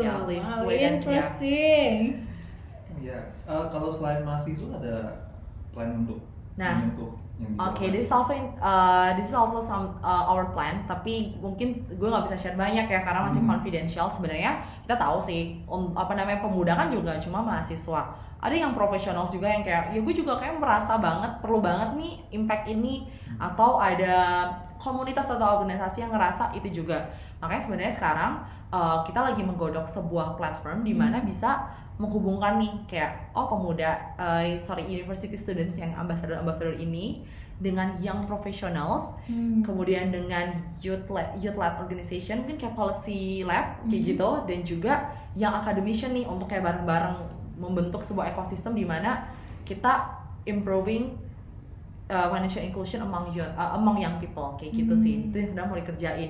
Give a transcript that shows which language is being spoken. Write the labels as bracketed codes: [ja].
[en] Yeah, please wow, wait interesting. Yeah. [id] Kalau selain mahasiswa ada plan untuk menyentuh? [en] Okay, this is also some our plan. [id] Tapi mungkin gue nggak bisa share banyak ya karena masih confidential. Sebenarnya kita tahu sih, apa namanya pemuda kan juga cuma mahasiswa. Ada yang profesional juga yang kayak, ya gue juga kayak merasa banget perlu banget nih impact ini. Atau ada komunitas atau organisasi yang ngerasa itu juga. Makanya sebenarnya sekarang kita lagi menggodok sebuah platform di mana bisa menghubungkan nih kayak oh pemuda university students yang ambassador ini dengan young professionals kemudian dengan youth led organization mungkin kayak policy lab kayak gitu dan juga young academician nih untuk kayak bareng-bareng membentuk sebuah ekosistem di mana kita [en] improving financial inclusion among young people [id] kayak gitu sih. Itu yang sedang mau dikerjain.